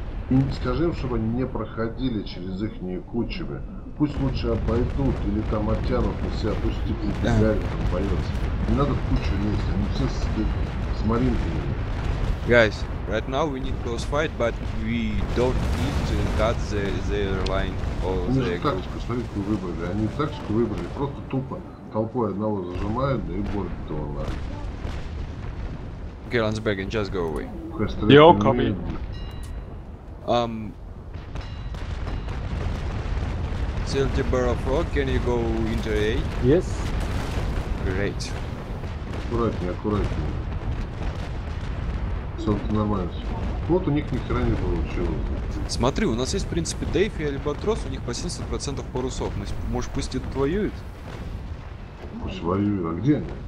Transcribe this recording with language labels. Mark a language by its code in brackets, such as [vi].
[ru] И скажи им, чтобы они не проходили через их кучи. Пусть лучше обойдут или там оттянут на себя, пусть типа убегают, там боятся. Не надо в кучу лезть, они все с маринками. [en] Guys, right now we need close fight, but we don't need to cut their line or their group. [ru] Они же тактику, смотрите, выбрали. Они тактику выбрали, просто тупо толпой одного зажимают, да и борт этого ларит. [en] Okay, Ландсберген, just go away. You're all coming. Silty Bar of Rock, can you go into A? Yes. Great. [ru] Аккуратнее, аккуратнее. Вот у них ни хрена не получилось. Смотри, у нас есть в принципе Дейв и Альбатрос, у них по 70% парусов. Может пусть идут воюют? Пусть воюют, а где они?